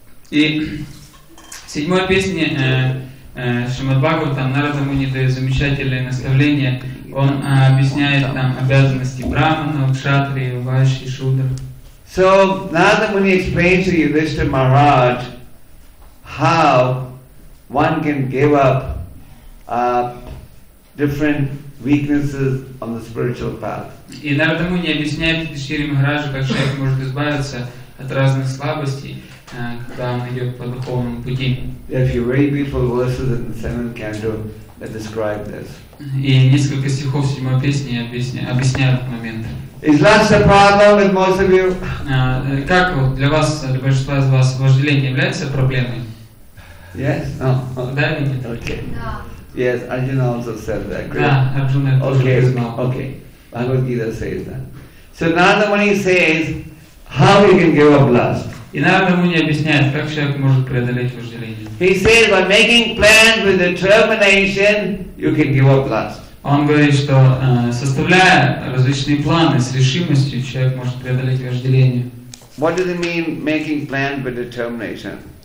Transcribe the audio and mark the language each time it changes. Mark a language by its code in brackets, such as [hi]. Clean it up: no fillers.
[ru] И в седьмой песне Шримад-Бхагаватам Нарада Муни дает замечательное наставление. Он объясняет там обязанности брахмана, кшатри, вайши, шудр. [en] So Narada Muni explains to Yudhishthira Maharaj how one can give up different weaknesses on the spiritual path. [ru] И Нарада Муни объясняет Юдхиштхире Махараджу, как человек может избавиться от разных слабостей, когда он идет по духовному пути. [en] There are a few very beautiful verses in the seventh canto that describe this. [ru] И несколько стихов седьмой песни объясняют этот момент. [en] Is lust a problem with most of you? [ru] Как для вас, для большинства из вас, вожделение является проблемой? [en] Yes. No. [ru] Да или нет? [en] Okay. Yes, Arjuna also said that. [ru] Да, Арджуна тоже сказал. [en] Okay. Bhagavad Gita says that. So Narada Muni says, how you can give up lust? [ru] И Нарада Муни объясняет, как человек может преодолеть вожделение. [en] He says, by making plans with determination, you can give up lust. [ru] Он говорит, что составляя различные планы с решимостью, человек может преодолеть вожделение. [en] What does it mean, making plans with determination?